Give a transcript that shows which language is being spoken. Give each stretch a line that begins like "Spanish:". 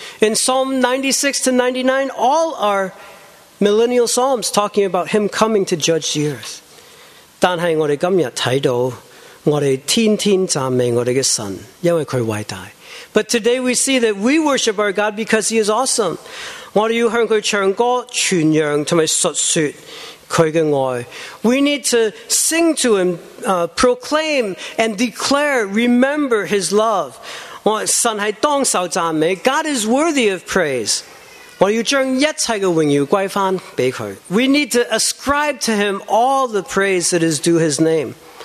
English: In Psalm 96-99, all are millennial psalms talking about him coming to judge the earth.
Chinese: 但是我们今天看到, 我们天天赞美我们的神, 因为他伟大.
English: But today we see that we worship our God because he is awesome.
Chinese: 我们要向他唱歌，传扬和述说他的爱.
English: We need to sing to him, proclaim and declare, remember his love.
Chinese: 神是当受赞美,
English: God is worthy of praise.
Chinese: 我们要将一切的荣耀归还给他.
English: We need to ascribe to him all the praise that is due his name.